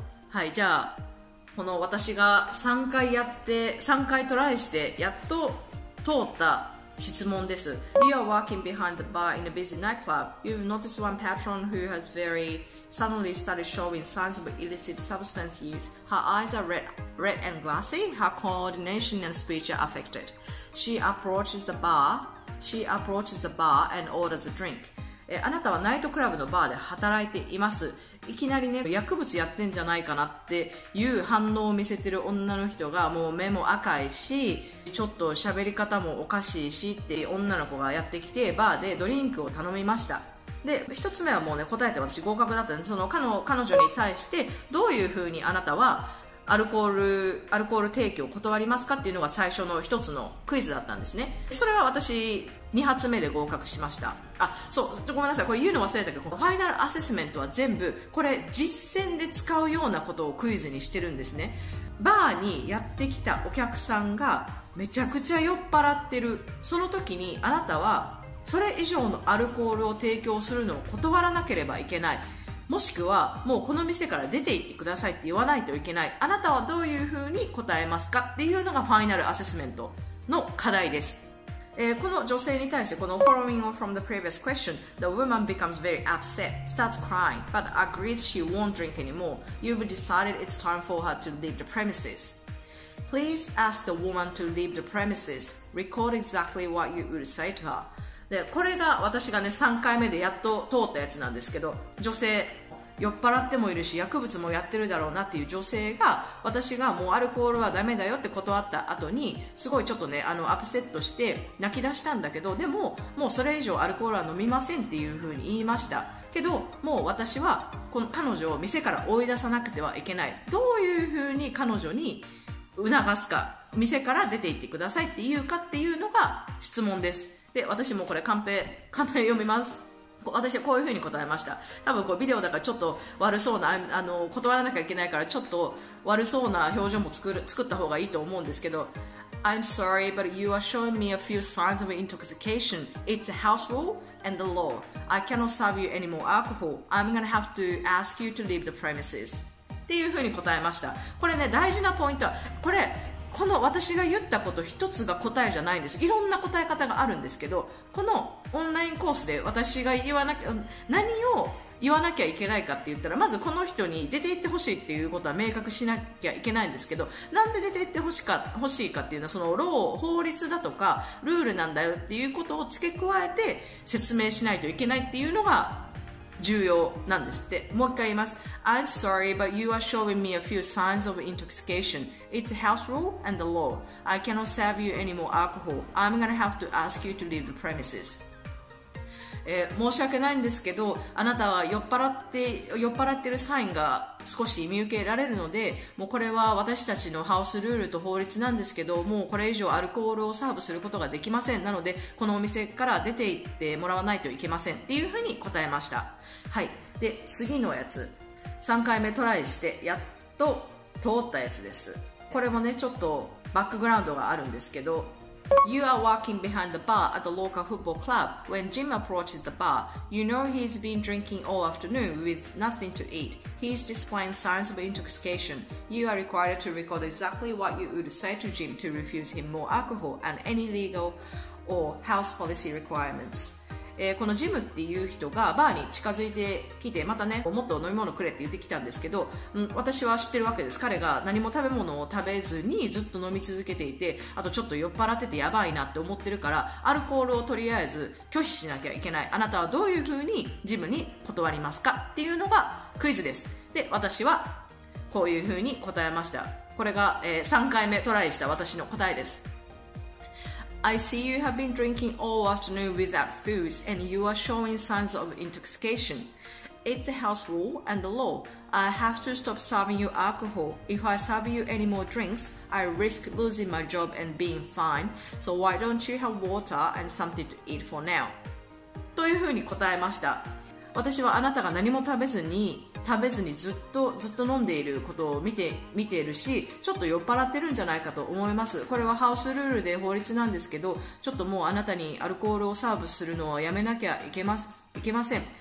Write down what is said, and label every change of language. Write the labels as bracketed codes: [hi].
[ja] はい、じゃあこの私が3回トライしてやっと通った質問です。 [en] You are walking behind the bar in a busy nightclub. You've noticed one patron who has very suddenly started showing signs of illicit substance use. Her eyes are red and glassy. Her coordination and speech are affected. She approaches the bar and orders a drink. [ja] あなたはナイトクラブのバーで働いています。いきなりね薬物やってんじゃないかなっていう反応を見せてる女の人が、もう目も赤いしちょっと喋り方もおかしいしって女の子がやってきて、バーでドリンクを頼みました。で一つ目はもうね答えて私合格だったんで、その彼女に対してどういう風にあなたはアルコール提供を断りますかっていうのが最初の一つのクイズだったんですね。それは私2発目で合格しました。あ、そう、ごめんなさい、これ言うの忘れたけど、ファイナルアセスメントは全部これ実践で使うようなことをクイズにしてるんですね。バーにやってきたお客さんがめちゃくちゃ酔っ払ってる、その時にあなたはそれ以上のアルコールを提供するのを断らなければいけない、もしくはもうこの店から出て行ってくださいって言わないといけない、あなたはどういうふうに答えますかっていうのがファイナルアセスメントの課題です。この女性に対して、この [en] following on from the previous question, the woman becomes very upset, starts crying, but agrees she won't drink anymore. You've decided it's time for her to leave the premises. Please ask the woman to leave the premises. Record exactly what you would say to her. [ja] で、これが私がね、3回目でやっと通ったやつなんですけど、女性、酔っ払ってもいるし薬物もやってるだろうなっていう女性が、私がもうアルコールはダメだよって断った後にすごいちょっとね、アップセットして泣き出したんだけど、でももうそれ以上アルコールは飲みませんっていう風に言いましたけど、もう私はこの彼女を店から追い出さなくてはいけない、どういう風に彼女に促すか、店から出て行ってくださいっていうかっていうのが質問です。で、私もこれカンペ読みます。私はこういう風に答えました。多分こうビデオだからちょっと悪そうな、断らなきゃいけないからちょっと悪そうな表情も作った方がいいと思うんですけど、 [en] I'm sorry but you are showing me a few signs of intoxication. It's a house rule and the law. I cannot serve you any more alcohol. I'm gonna have to ask you to leave the premises. [ja] っていう風に答えました。これね、大事なポイントは、これこの私が言ったこと一つが答えじゃないんです。いろんな答え方があるんですけど、このオンラインコースで私が言わなきゃ、何を言わなきゃいけないかって言ったら、まずこの人に出て行ってほしいっていうことは明確しなきゃいけないんですけど、なんで出て行ってほしいかっていうのは、その法律だとかルールなんだよっていうことを付け加えて説明しないといけないっていうのが重要なんですって。もう一回言います。 [en] I'm sorry, but you are showing me a few signs of intoxication. It's a house rule and the law. I cannot serve you any more alcohol. I'm gonna have to ask you to leave the premises. [ja] 申し訳ないんですけど、あなたは酔っ払ってるサインが少し見受けられるので、もうこれは私たちのハウスルールと法律なんですけど、もうこれ以上アルコールをサーブすることができません。なので、このお店から出て行ってもらわないといけませんっていうふうに答えました。はい、で次のやつ、3回目トライしてやっと通ったやつです。これもね、ちょっとバックグラウンドがあるんですけど、 [en] You are walking behind the bar at the local football club when Jim approaches the bar. You know he's been drinking all afternoon with nothing to eat. He's displaying signs of intoxication. You are required to record exactly what you would say to Jim to refuse him more alcohol and any legal or house policy requirements. [ja] このジムっていう人がバーに近づいてきて、またね、もっと飲み物くれって言ってきたんですけど、私は知ってるわけです。彼が何も食べ物を食べずにずっと飲み続けていて、あとちょっと酔っ払っててやばいなって思ってるから、アルコールをとりあえず拒否しなきゃいけない。あなたはどういう風にジムに断りますかっていうのがクイズです。で、私はこういう風に答えました。これが、3回目トライした私の答えです。 [en] I see you have been drinking all afternoon without food and you are showing signs of intoxication. It's a house rule and the law. I have to stop serving you alcohol. If I serve you any more drinks, I risk losing my job and being fined. So why don't you have water and something to eat for now? [ja] というふうに答えました。私はあなたが何も食べずにずっと飲んでいることを見ているし、ちょっと酔っ払ってるんじゃないかと思います。これはハウスルールで法律なんですけど、ちょっともうあなたにアルコールをサーブするのはやめなきゃいけません。